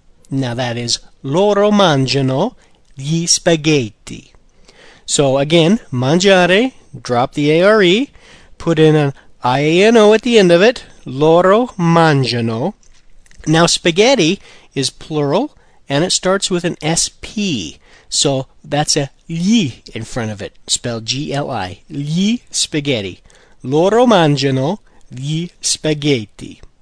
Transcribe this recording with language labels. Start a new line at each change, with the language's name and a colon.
English: Now that is,
Italian: loro mangiano gli spaghetti.
English: So again, mangiare, drop the A-R-E, put in an I-A-N-O at the end of it.
Italian: Loro mangiano.
English: Now spaghetti is plural, and it starts with an S-P. So that's a gli in front of it, spelled G-L-I,
Italian: gli spaghetti. Loro mangiano gli spaghetti.